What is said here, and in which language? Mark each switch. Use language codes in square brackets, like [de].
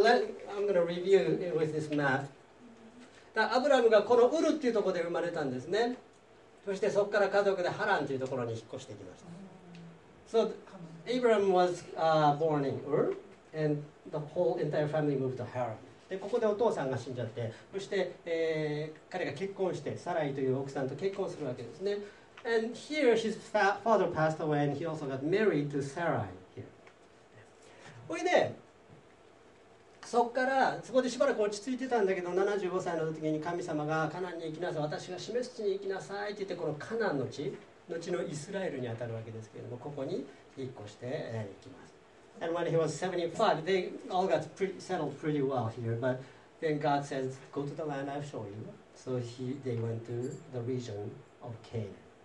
[en] So I'm going to review it with this map. [ja] アブラムがこのウルっていうところで生まれたんですね。そしてそこから家族でハランというところに引っ越してきました。 [en] So Abraham was born in Ur and the whole entire family moved to Haran. [ja] でここでお父さんが死んじゃって、そして、彼が結婚してサライという奥さんと結婚するわけですね。 [en] And here his father passed away and he also got married to Sarai here. [ja] ほいで、そこからそこでしばらく落ち着いてたんだけど、75歳の時に神様がカナンに行きなさい、私が示す地に行きなさいって言って、このカナンの地、後のイスラエルに当たるわけですけれども、ここに引っ越していきます。 [en] And when he was 75, they all got settled pretty well here, but then God says, go to the land I've shown you. So they went to the region of Canaan.